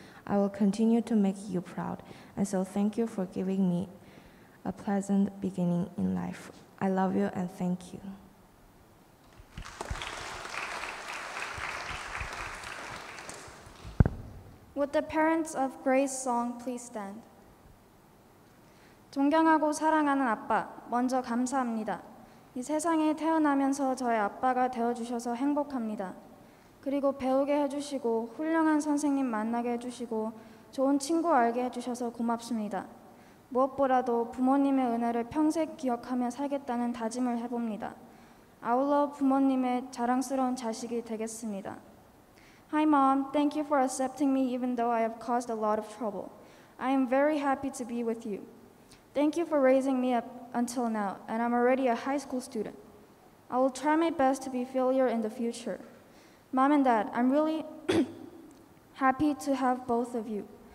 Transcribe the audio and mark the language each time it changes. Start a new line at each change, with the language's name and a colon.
English: I will continue to make you proud, and so thank you for giving me a pleasant beginning in life. I love you and thank you. Would Would the parents of Grace Song please stand?
Korean: 존경하고 사랑하는 아빠, 먼저 감사합니다. 이 세상에 태어나면서 저의 아빠가 되어주셔서 행복합니다. 그리고 배우게 해주시고 훌륭한 선생님 만나게 해주시고 좋은 친구 알게 해주셔서 고맙습니다. 무엇보다도 부모님의 은혜를 평생 기억하며 살겠다는 다짐을 해봅니다. 아울러 부모님의 자랑스러운 자식이 되겠습니다.
English: Hi mom, thank you for accepting me even though I have caused a lot of trouble. I am very happy to be with you. Thank you for raising me up until now, and I'm already a high school student. I will try my best to be filial in the future. Mom and Dad, I'm really happy to have both of you.